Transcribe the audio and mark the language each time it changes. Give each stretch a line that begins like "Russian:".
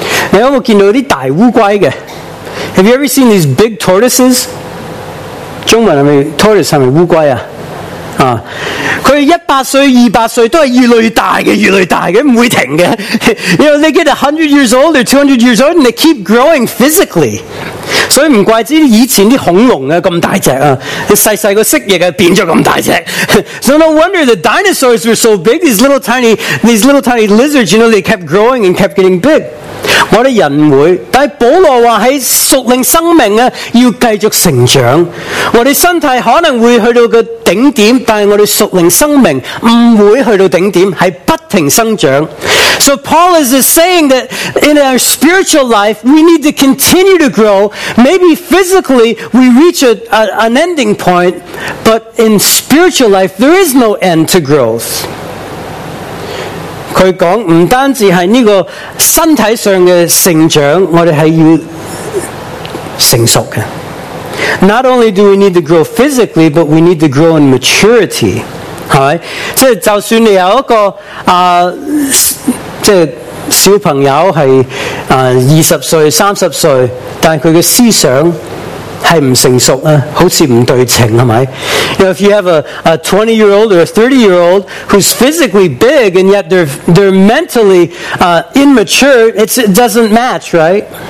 Cantonese: 你有冇见到啲大乌龟嘅 ？
English: Have you ever seen these big tortoises?
Cantonese: 中文系咪 tortoise 系咪乌龟啊？啊，佢一百岁、二百岁都系越来越大嘅，越来越大嘅，唔会停嘅。
English: You know, they get 100 years old or 200 years old and they keep growing physically.
Cantonese: 所以唔怪之以前啲恐龙啊咁大只啊，细细个蜥蜴啊变咗咁大只。
English: So no wonder the dinosaurs were so big. These little tiny lizards, you know, they kept growing and kept getting big.
Cantonese: 我哋人会，但系保罗话喺属灵生命啊要继续成长。我哋身体可能会去到个顶点，但系我哋属灵生命唔会去到顶点，系不停生长。
English: So Paul is saying that in our spiritual life, we need to continue to grow. Maybe physically, we reach an ending point, but in spiritual life, there is no end to growth.
Cantonese: 佢讲唔单止系呢个身体上嘅成长，我哋系要成熟嘅。
English: Not only do we need to grow physically, but we need to grow in maturity.
Cantonese: 系，即系就算你有一个即系小朋友系二十岁、三十岁，但系佢嘅思想系唔成熟啊，好似唔对称，系咪 ？
English: You know, if you have a 20-year-old or a 30-year-old who's physically big and yet they're mentally immature, it doesn't match, right?